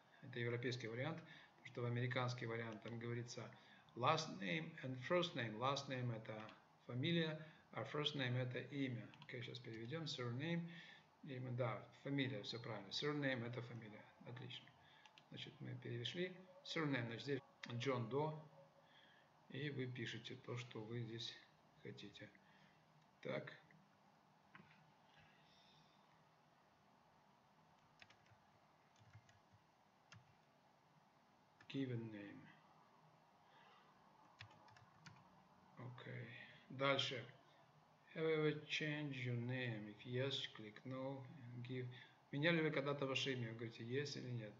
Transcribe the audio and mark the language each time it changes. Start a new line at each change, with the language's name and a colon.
Russian: Это европейский вариант, потому что в американский вариант там говорится
English: last name and first name.
Russian: Last name это фамилия, а first name это имя. Окей, сейчас переведем surname. Имя, да, фамилия, все правильно. Surname это фамилия. Отлично. Значит, мы перешли. Surname, значит, здесь John Doe. И вы пишете то, что вы здесь хотите. Так.
English: Given name.
Russian: Окей. Дальше.
English: Have you ever changed your name? If yes, click no. And give.
Russian: Меняли вы когда-то ваше имя? Говорите, yes или нет?